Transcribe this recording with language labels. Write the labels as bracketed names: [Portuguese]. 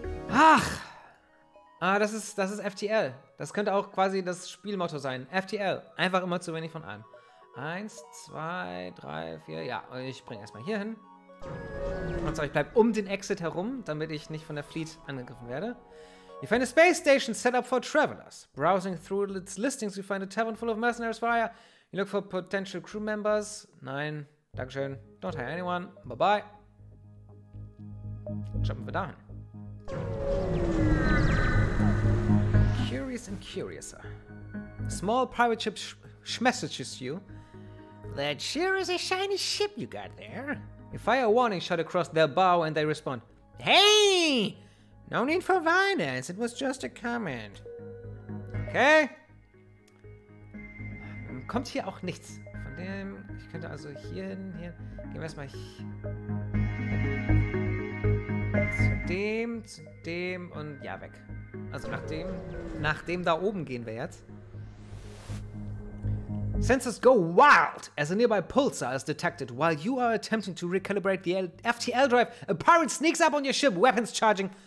[German] Ach. Ah, das ist FTL. Das könnte auch quasi das Spielmotto sein. FTL. Einfach immer zu wenig von allem. 1, 2, 3, 4. Ja, ich springe erstmal hier hin. Und zwar, ich bleibe um den Exit herum, damit ich nicht von der Fleet angegriffen werde. [English] You find a space station set up for travelers. Browsing through its listings, you find a tavern full of mercenaries for hire. You look for potential crew members. [German] Nein, dankeschön. [English] Don't hire anyone. Bye-bye. [German] Jumpen wir dahin. [English] And curiouser. A small private ship messages you. That sure is a shiny ship you got there. You fire a warning shot across their bow and they respond, "Hey! No need for violence. It was just a comment." Okay. [German] Kommt hier auch nichts. Von dem, ich könnte also hier hin. Gehen wir erstmal zu dem und ja, weg. Also nach dem da oben gehen wir jetzt. [English] Sensors go wild as a nearby pulsar is detected. While you are attempting to recalibrate the FTL drive, a pirate sneaks up on your ship, weapons charging.